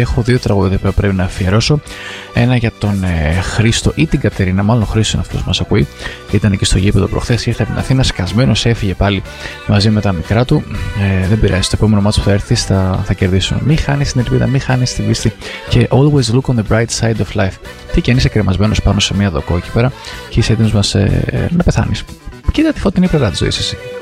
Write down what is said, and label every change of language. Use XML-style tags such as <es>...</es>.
<el>Έχω δύο τραγούδια που πρέπει να αφιερώσω. Ένα για τον Χρήστο ή την Κατερίνα, μάλλον ο Χρήστο είναι αυτός που μας ακούει. Ήταν εκεί στο γήπεδο προχθές, ήρθε από την Αθήνα, σκασμένος, έφυγε πάλι μαζί με τα μικρά του. Δεν πειράζει, το επόμενο μάτσο που θα έρθει θα κερδίσουν. Μην χάνεις την ελπίδα, μην χάνεις την πίστη. Και</el> <en>always look on the bright side of life.</en> <el>Τι και αν είσαι κρεμασμένος πάνω σε μια δοκό εκεί πέρα και είσαι έτοιμος μας να πεθάνεις. Κοίτα τη φωτεινή πλευρά της ζωής εσύ.</el>